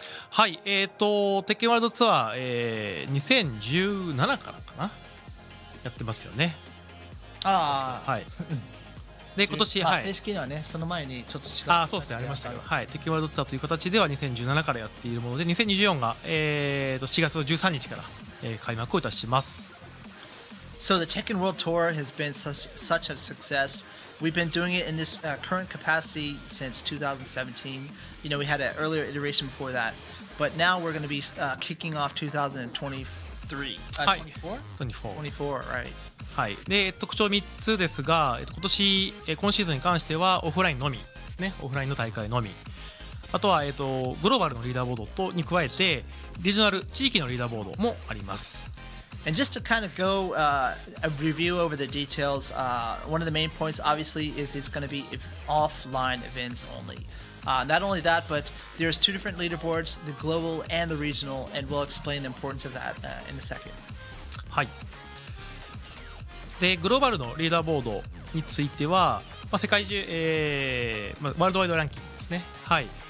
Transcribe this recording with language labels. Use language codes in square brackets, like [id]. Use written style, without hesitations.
[ja] はい、鉄拳ワールドツアー、2017からかなやってますよね。ああ、はい。で今年、はい、正式にはねその前にちょっと違う、ああそうですね、ありましたけど、はい、鉄拳ワールドツアーという形では2017からやっているもので、2024が、4月の13日から、開幕をいたします。 [en] So the Tekken World Tour has been such a success. We've been doing it in this current capacity since 2017. You know, we had an earlier iteration before thatBut now we're going to be kicking off 2023. 24? 24, [ja] right. はい。で、特徴3つですが、今年、今シーズンに関してはオフラインのみですね。オフラインの大会のみ。あとは、グローバルのリーダーボードに加えてリージョナル地域のリーダーボードもあります。 [en] And just to kind of go a review over the details, one of the main points obviously is it's going to be offline events only. Not only that, but there's two different leaderboards, the global and the regional, and we'll explain the importance of that in a second. [ja] はい。で、グローバルのリーダーボードについては、まあ、世界中、ワールドワイドランキングですね。はい。